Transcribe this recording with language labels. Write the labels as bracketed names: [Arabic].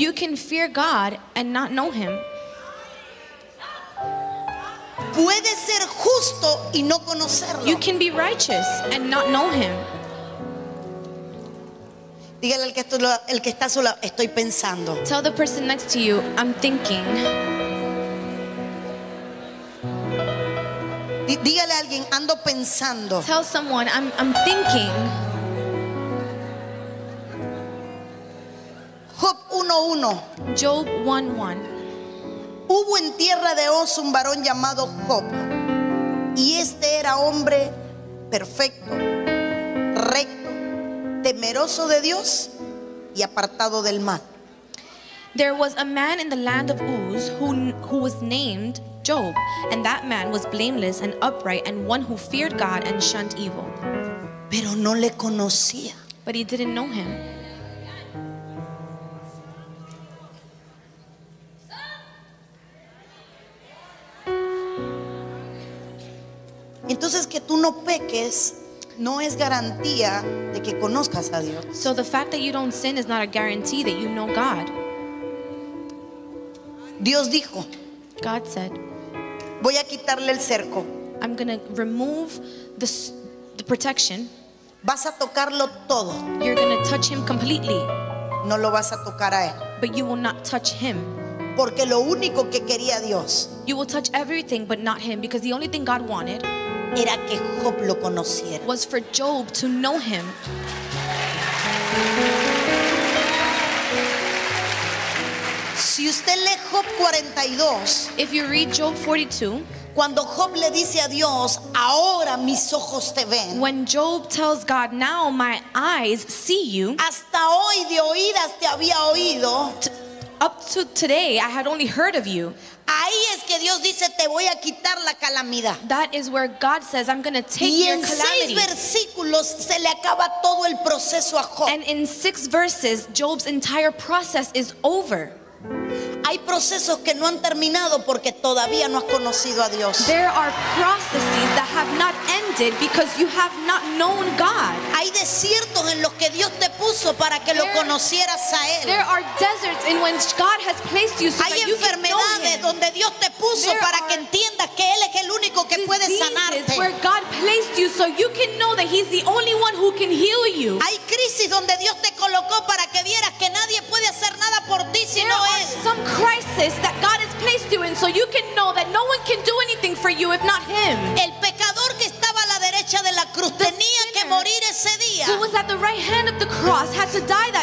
[English] You can fear God and not know him. [Spanish] Puede ser justo y no conocerlo. [English] You can be righteous and not know him. [Spanish] Dígale al que está a su lado, estoy pensando. [English] Tell the person next to you, I'm thinking. [Spanish] Dígale a alguien, ando pensando. [English] Tell someone, I'm thinking. [Spanish] Job 1:1. [English] Job 1:1. [Spanish] Hubo en tierra de Oz un varón llamado Job, y este era hombre perfecto, recto, temeroso de Dios y apartado del mal. [English] There was a man in the land of Uz who was named Job, and that man was blameless and upright, and one who feared God and shunned evil. [Spanish] Pero no le conocía. [English] But he didn't know him. [Spanish] Entonces que tú no peques no es garantía de que conozcas a Dios. [English] So the fact that you don't sin is not a guarantee that you know God. [Spanish] Dios dijo. [English] God said. [Spanish] Voy a quitarle el cerco. [English] I'm going to remove the protection. [Spanish] Vas a tocarlo todo. [English] You're going to touch him completely. [Spanish] No lo vas a tocar a él. [English] But you will not touch him. [Spanish] Porque lo único que quería Dios. [English] You will touch everything but not him, because the only thing God wanted [Spanish] era que Job lo conociera. [English] Was for Job to know him. [Spanish] Si usted lee Job 42, [English] if you read Job 42, [Spanish] cuando Job le dice a Dios, ahora mis ojos te ven. [English] When Job tells God, now my eyes see you. [Spanish] Hasta hoy de oídas te había oído. [English] Up to today, I had only heard of you. [Spanish] Ahí es que Dios dice, te voy a quitar la calamidad. [English] That is where God says, I'm going to take your calamity. [Spanish] Y en seis versículos se le acaba todo el proceso a Job. [English] And in six verses, Job's entire process is over. [Spanish] Hay procesos que no han terminado porque todavía no has conocido a Dios. [English] There are processes that have not ended because you have not known God. [Spanish] Hay desiertos en los que Dios te puso para que lo conocieras a él. [English] There are deserts in which God has placed you so that you can know him. [Spanish] Hay enfermedades donde Dios te puso para que entiendas que él es el único que puede sanarte. [English] Diseases where God placed you so you can know that he's the only one who can heal you. [Spanish] Hay crisis donde Dios te colocó para que vieras que nadie puede hacer nada por ti si no es. [English] Crisis that God has placed you in so you can know that no one can do anything for you if not him. [Spanish] El pecador que estaba a la derecha de la cruz tenía que morir ese día. [English] Who was at the right hand of the cross had to die that